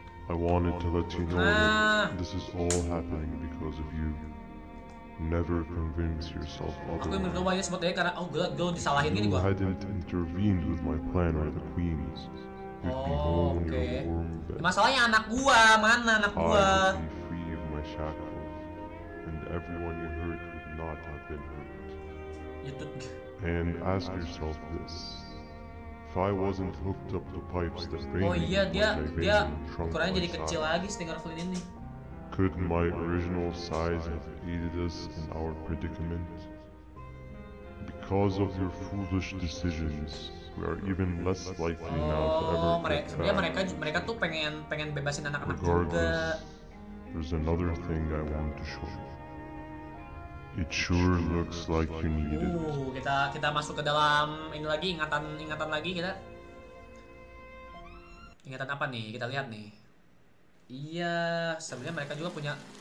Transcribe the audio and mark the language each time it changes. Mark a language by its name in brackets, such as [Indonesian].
[English] I wanted to let you know that this is all happening because of you. Never convince yourself otherwise. You hadn't intervened with my plan or the queen's. You'd be home in your warm bed. [Indonesian] Masalahnya anak gua, mana anak gua? [English] I would be free of my shackles, and everyone you hurt would not have been hurt. And ask yourself this. If I wasn't hooked up to pipes that drain into my veins and shrunk my size, could my original size have aided us in our predicament? Because of your foolish decisions, we are even less likely now to ever get back. [Indonesian] Mereka tuh pengen bebasin anak-anak juga. [English] Regardless, there's another thing I want to show you. It sure looks like you need it. [Indonesian] Kita masuk ke dalam ini lagi, ingatan lagi kita. Ingatan apa nih? Kita lihat nih. Iya, sebenarnya mereka juga punya.